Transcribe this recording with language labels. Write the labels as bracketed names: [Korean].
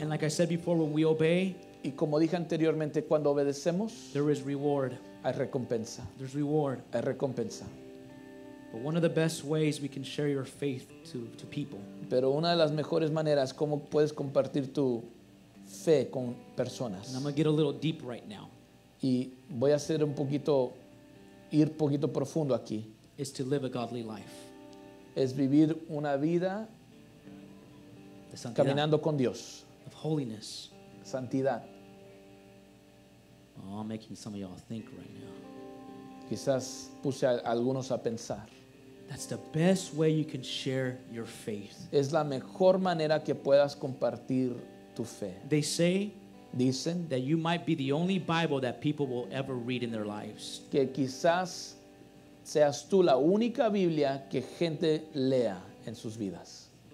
[English] And like I said before, when we obey, [Spanish] y como dije anteriormente, cuando obedecemos, [English] there is reward. [Spanish] Hay recompensa. [English] There's reward. [Spanish] Hay recompensa. [English] But one of the best ways we can share your faith to people. [Spanish] Pero una de las mejores maneras como puedes compartir tu fe con personas. [English] And I'm going to get a little deep right now. [Spanish] Y voy a hacer un poquito, ir poquito profundo aquí. [English] Is to live a godly life. [Spanish] Es vivir una vida de santidad. Caminando con Dios. [English] Of holiness. [Spanish] Santidad. [English] Oh, I'm making some of y'all think right now. [Spanish] Quizás puse a algunos a pensar. [English] That's the best way you can share your faith. [Spanish] Es la mejor manera que puedas compartir tu fe. [English] They say, [Spanish] dicen, [English] that you might be the only Bible that people will ever read in their lives. [Spanish] Que quizás seas tú la única Biblia que gente lea en sus vidas.